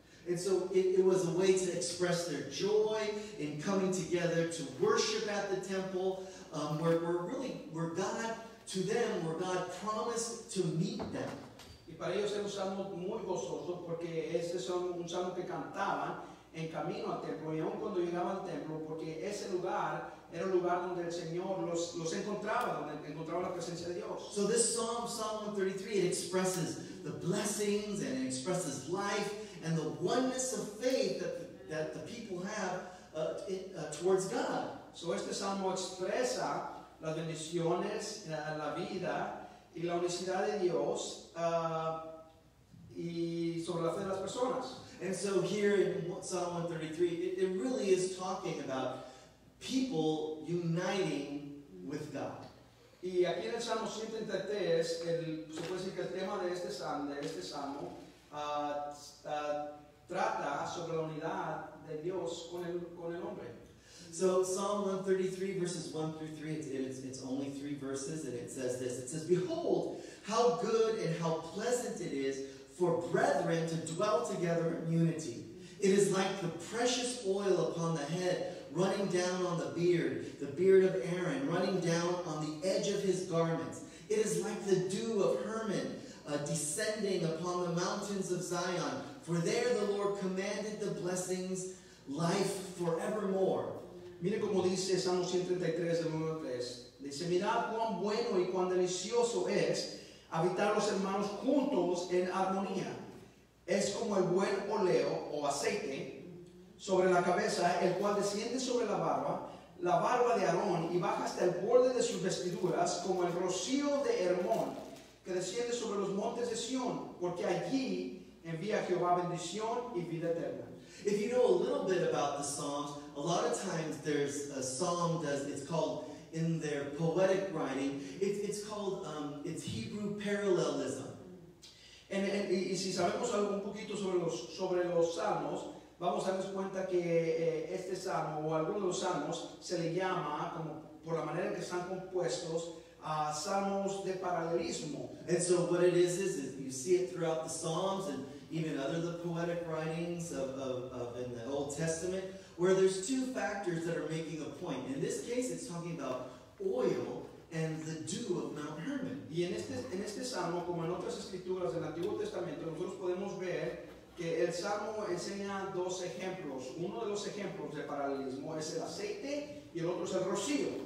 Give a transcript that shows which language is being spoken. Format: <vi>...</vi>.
<en>And so it was a way to express their joy in coming together to worship at the temple, where God, to them, where God promised to meet them.</en> <es>Y para ellos era un salmo muy gozoso, porque ese es un salmo que cantaban en camino al templo, y aun cuando llegaban al templo, porque ese lugar era el lugar donde el Señor los encontraba, donde encontraba la presencia de Dios.</es> <en>So this Psalm 133, it expresses the blessings and it expresses life and the oneness of faith that the people have towards God.</en> <es>So este salmo expresa las bendiciones, la vida y la unicidad de Dios y sobre la fe de las personas.</es> <en>And so here in Psalm 133, it really is talking about people uniting with God.</en> <es>Y aquí en el Salmo 133, se puede decir que el tema de este salmo trata sobre la unidad de Dios con el hombre.</es> <en>So Psalm 133 verses 1-3, it's only three verses, and it says this. It says, "Behold, how good and how pleasant it is for brethren to dwell together in unity. It is like the precious oil upon the head, running down on the beard of Aaron, running down on the edge of his garments. It is like the dew of Hermon, descending upon the mountains of Zion. For there the Lord commanded the blessings, life forevermore."</en> <es>Mire como dice Salmo 133, del 1 al 3. Dice, "Mirad cuán bueno y cuán delicioso es habitar los hermanos juntos en armonía. Es como el buen oleo o aceite sobre la cabeza, el cual desciende sobre la barba de Aarón, y baja hasta el borde de sus vestiduras, como el rocío de Hermón, que desciende sobre los montes de Sión, porque allí envía Jehová bendición y vida eterna."</es> <en>If you know a little bit about the Psalms, a lot of times there's a psalm that it's called, in their poetic writing, it's called, it's Hebrew parallelism.</en> <es>Y si sabemos algo un poquito sobre los salmos, vamos a darnos cuenta que este salmo o alguno de los salmos se le llama, como por la manera en que están compuestos, salmos de paralelismo.</es> <en>And so what it is you see it throughout the Psalms and even other the poetic writings of in the Old Testament, where there's two factors that are making a point. In this case, it's talking about oil and the dew of Mount Hermon.</en> <es>Y en este salmo, como en otras escrituras del Antiguo Testamento, nosotros podemos ver que el salmo enseña dos ejemplos. Uno de los ejemplos de paralelismo es el aceite y el otro es el rocío.</es>